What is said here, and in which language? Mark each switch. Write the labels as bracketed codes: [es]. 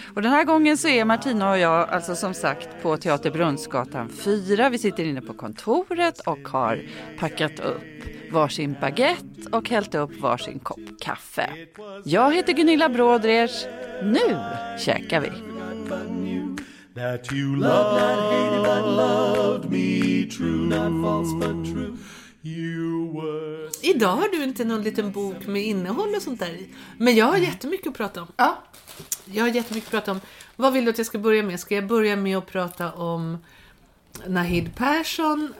[sv] Och den här gången så är Martina och jag alltså som sagt på Teater Brunnsgatan 4. Vi sitter inne på kontoret och har packat upp. varsin baguette och hällt upp varsin kopp kaffe. Jag heter Gunilla Brodrej. Nu käkar vi. [en] That you loved, not hated, but loved me true, not false, but true. [sv] Idag har du inte någon liten bok med innehåll och sånt där i. Men jag har jättemycket att prata om. Ja. Jag har jättemycket att prata om. Vad vill du att jag ska börja med? Ska jag börja med att prata om Nahid Persson?